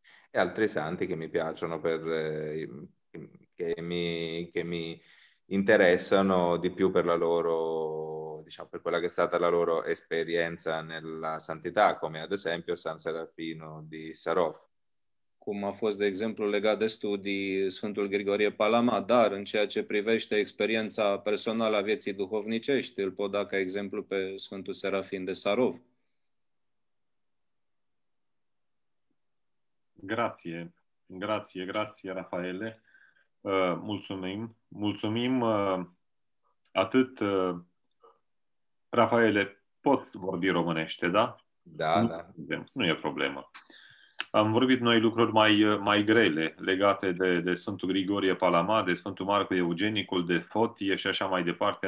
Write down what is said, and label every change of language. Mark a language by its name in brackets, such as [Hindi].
[Italian] E altri santi che mi piacciono che mi interessano di più per la loro, diciamo, per quella che è stata la loro esperienza nella santità, come ad esempio San Serafino di Sarov. [Romanian] Cum a fost, de exemplu, legat de studii Sfântul Grigorie Palama, dar în ceea ce privește experiența personală a vieții duhovnicești, îl pot da ca exemplu pe Sfântul Serafin de Sarov. [Italian] Grazie, grazie, grazie, Rafaele. [Romanian] Mulțumim, mulțumim atât. Rafaele, pot vorbi românește, da? Da, nu, da. Nu e problemă. Am vorbit noi lucruri mai grele legate de Sfântul Grigorie Palama, de Sfântul Marco Eugenicul, de Fotie și așa mai departe.